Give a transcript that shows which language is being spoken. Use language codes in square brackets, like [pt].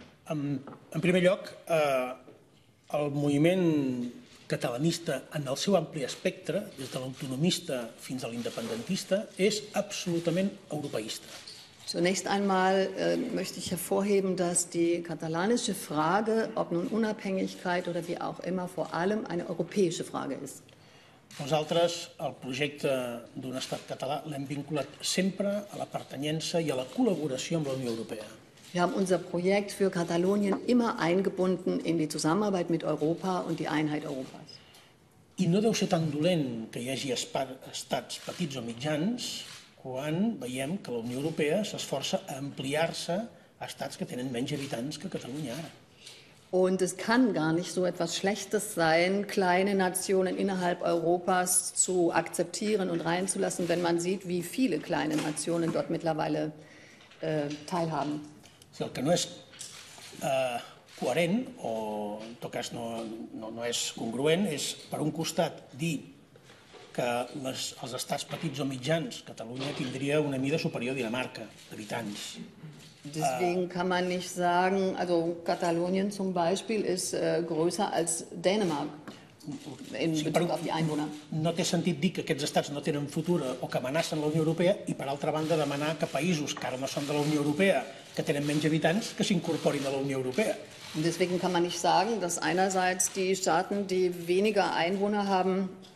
[ca] En primer lloc, el moviment catalanista en el seu ampli espectre, des de l'autonomista fins a l'independentista, és absolutament europeista. [de] Zunächst einmal möchte ich hervorheben, dass die katalanische Frage, ob nun Unabhängigkeit oder wie auch immer, vor allem eine europäische Frage ist. [ca] Nosaltres el projecte d'un estat català l'hem vinculat sempre a la pertanyença i a la col·laboració amb la Unió Europea. [de] Wir haben unser Projekt für Katalonien immer eingebunden in die Zusammenarbeit mit Europa und die Einheit Europas. [ca] I no deu ser tan dolent que hi hagi estats petits o mitjans quan veiem que la Unió Europea s'esforça a ampliar-se a estats que tenen menys habitants que Catalunya ara. [de] Und es kann gar nicht so etwas Schlechtes sein, kleine Nationen innerhalb Europas zu akzeptieren und reinzulassen, wenn man sieht, wie viele kleine Nationen dort mittlerweile teilhaben. [ca] Sí, el que no és coherent, o en tot cas no és congruent, és per un costat dir que els estats petits o mitjans, Catalunya tindria una mida superior a Dinamarca, d'habitants. [de] Deswegen kann man nicht sagen, also Katalonien zum Beispiel ist größer als Dänemark in Bezug auf die Einwohner. [ca] No té sentit dir que aquests estats no tenen futur o que amenacen la Unió Europea i, per altra banda, demanar que països que ara no són de la Unió Europea, que tenen menys habitants, que s'incorporin a la Unió Europea. [de] Deswegen kann man nicht sagen, dass einerseits die Staaten, die weniger Einwohner haben,